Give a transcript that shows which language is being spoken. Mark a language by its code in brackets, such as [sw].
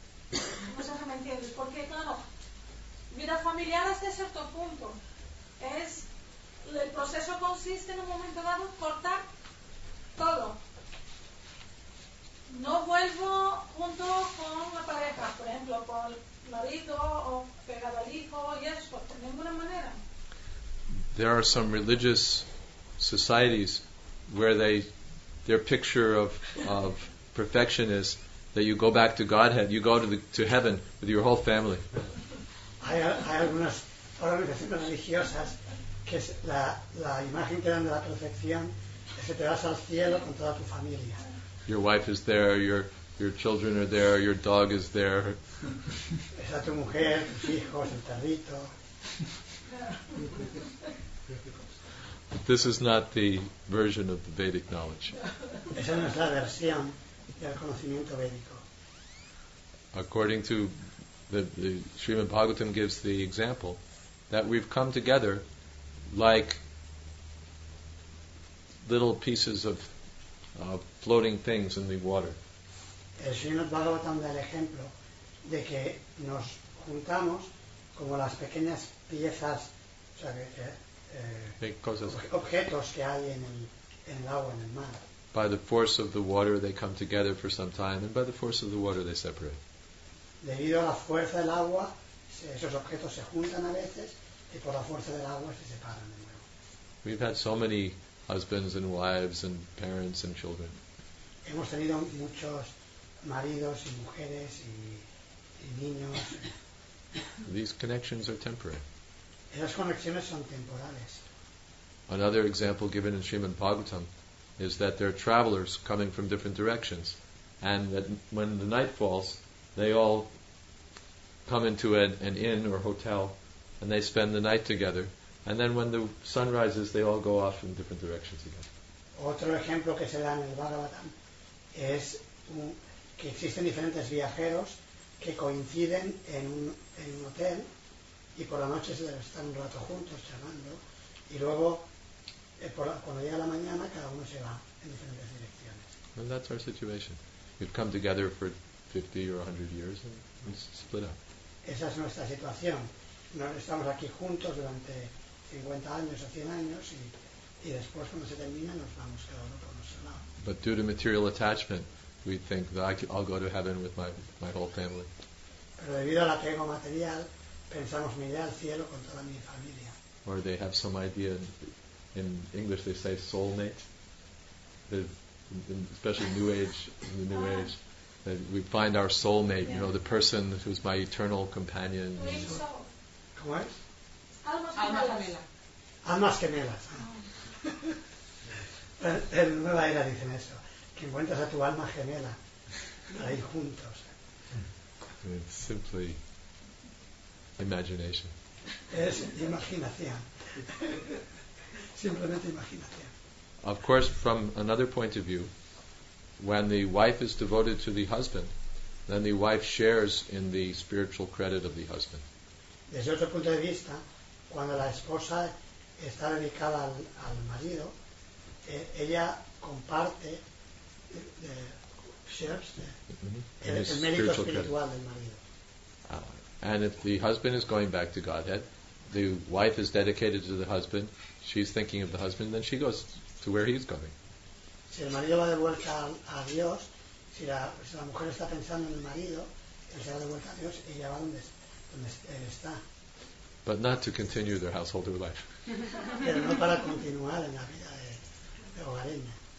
[es] No sé si me entiendes, porque claro, vida familiar hasta cierto punto es, el proceso consiste en un momento dado cortar todo. No vuelvo junto con la pareja, por ejemplo, con el marido o pegado al hijo y eso, de ninguna manera. [en] There are some religious societies where their picture of perfection is that you go back to Godhead, you go to heaven with your whole family. [es] Hay algunas organizaciones religiosas que la imagen que dan de la perfección es que te vas al cielo con toda tu familia. [en] Your wife is there, your children are there, your dog is there. [es] Es a tu mujer, tus hijos, el perrito. [en] But this is not the version of the Vedic knowledge. [es] Esa no es la versión del conocimiento védico. [en] According to the Srimad Bhagavatam gives the example that we've come together like little pieces of floating things in the water. [es] El Srimad Bhagavatam da el ejemplo de que nos juntamos como las pequeñas piezas, o sea, objetos que hay en el agua, en el mar. [en] By the force of the water they come together for some time, and by the force of the water they separate. [es] Debido a la fuerza del agua, esos objetos se juntan a veces, y por la fuerza del agua se separan de nuevo. [en] We've had so many husbands and wives and parents and children. [es] Hemos tenido muchos maridos y mujeres y niños. [en] These connections are temporary. [es] Esas conexiones son temporales. [en] Another example given in Srimad Bhagavatam is that there are travelers coming from different directions, and that when the night falls, they all come into an inn or hotel, and they spend the night together. And then when the sun rises, they all go off in different directions again. [es] Otro ejemplo que se da en el Bhagavatam es que existen diferentes viajeros que coinciden en un hotel, y por la noche se deben estar un rato juntos charlando, y luego cuando llega la mañana cada uno se va en diferentes direcciones. [en] And that's our situation. We've come together for 50 or 100 years and split up. [es] Esa es nuestra situación. Nos estamos aquí juntos durante 50 años o 100 años y después cuando se termina nos vamos cada uno por nuestro lado. [en] But due to material attachment, we think that I'll go to heaven with my whole family. [es] Pero debido al apego material, pensamos me iré al cielo con toda mi familia. [en] Or they have some idea, in English they say soulmate. Especially in the New Age. We find our soulmate, yeah. You know, the person who's my eternal companion. Twin soul. [es] Como es? Almas gemelas. En Nueva Era dicen eso. Que encuentras a tu alma gemela. Ahí juntos. [en] It's simply imagination. [es] Es imaginación. Simplemente imaginación. [en] Of course, from another point of view, when the wife is devoted to the husband, then the wife shares in the spiritual credit of the husband. [es] Desde otro punto de vista, cuando la esposa está dedicada al marido, ella comparte shares, mm-hmm. el mérito espiritual [en] credit. [es] Del marido. [en] And if the husband is going back to Godhead, the wife is dedicated to the husband, she's thinking of the husband, then she goes to where he's going. [es] Si el marido va de vuelta a Dios, si la, si la mujer está pensando en el marido, él se va de vuelta a Dios y ella va donde, donde él está. [en] But not to continue their household life. [es] Pero no para continuar en la vida de hogareña.